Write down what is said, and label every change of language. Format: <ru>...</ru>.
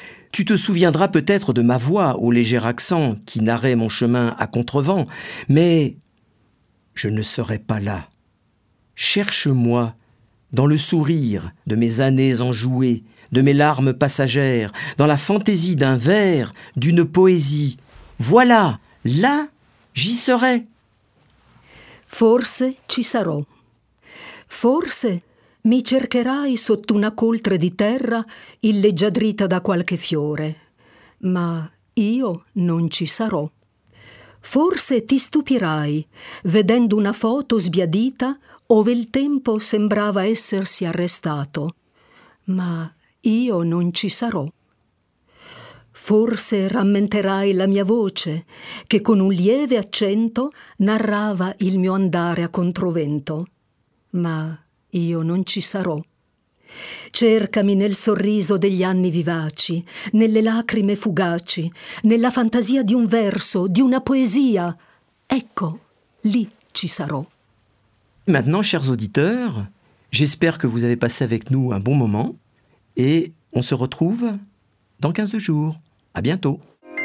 <fr>Tu te souviendras peut-être de ma voix au léger accent qui narrait mon chemin à contrevent, mais je ne serai pas là. Cherche-moi dans le sourire de mes années enjouées, de mes larmes passagères, dans la fantaisie d'un vers, d'une poésie. Voilà, là, j'y serai.</fr> <it>Forse ci sarò. Forse mi cercherai sotto una coltre di terra illeggiadrita da qualche fiore, ma io non ci sarò. Forse ti stupirai vedendo una foto sbiadita ove il tempo sembrava essersi arrestato, ma io non ci sarò. Forse rammenterai la mia voce che con un lieve accento narrava il mio andare a controvento, ma io non ci sarò. Cercami nel sorriso degli anni vivaci, nelle lacrime fugaci, nella fantasia di un verso, di una poesia. Ecco, lì ci sarò.</it> <fr>Maintenant, chers auditeurs, j'espère que vous avez passé avec nous un bon moment et on se retrouve dans 15 jours. À bientôt.</fr>